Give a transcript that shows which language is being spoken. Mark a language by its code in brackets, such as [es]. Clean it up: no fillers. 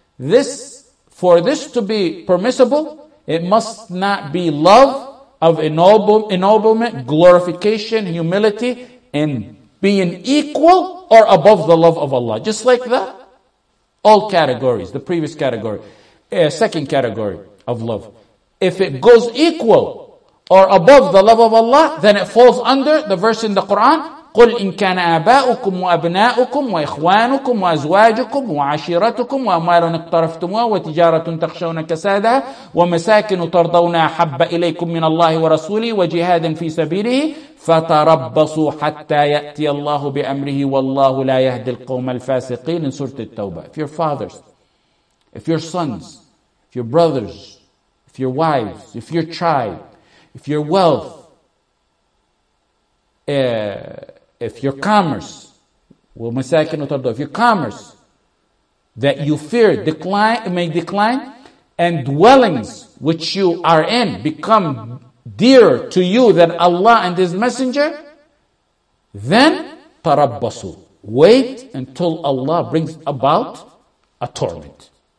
[en] This, for this to be permissible, it must not be love of ennoblement, glorification, humility, and being equal or above the love of Allah. Just like that, all categories, the previous category, second category of love. If it goes equal or above the love of Allah, then it falls under the verse in the Quran, [ar] قُلْ إِن كَانَ آبَاؤُكُمْ وَأَبْنَاؤُكُمْ وَإِخْوَانُكُمْ وَأَزْوَاجُكُمْ وَعَشِيرَتُكُمْ وَأَمْوَالٌ اقْتَرَفْتُمُوهَا وَتِجَارَةٌ تَخْشَوْنَ كَسَادَهَا وَمَسَاكِنُ تَرْضَوْنَهَا أَحَبَّ إِلَيْكُمْ مِنَ اللَّهِ وَرَسُولِهِ وَجِهَادٍ فِي سَبِيلِهِ فَتَرَبَّصُوا حَتَّى يَأْتِيَ اللَّهُ بِأَمْرِهِ وَاللَّهُ لَا يَهْدِي الْقَوْمَ الْفَاسِقِينَ in Surah At-Tawbah. [en] If your fathers, if your sons, if your brothers, if your wives, if your child, if your wealth, if your commerce, if your commerce that you fear decline may decline, and dwellings which you are in become dearer to you than Allah and His Messenger, then tarabbasu, wait until Allah brings about a torment.